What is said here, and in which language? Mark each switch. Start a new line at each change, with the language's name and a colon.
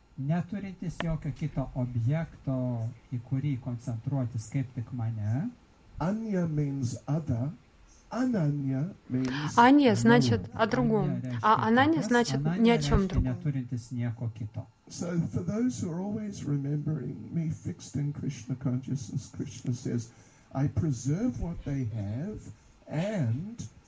Lithuanian: Neturintis jokio kito objekto, į kurį koncentruotis, kaip tik mane.
English: Anya means other, ananya means
Russian: Anya значит о другом, а ананья значит ни о чем другом.
Lithuanian: Neturintis nieko kito.
English: So for those who are always remembering me fixed in Krishna consciousness, Krishna says, I preserve what they have and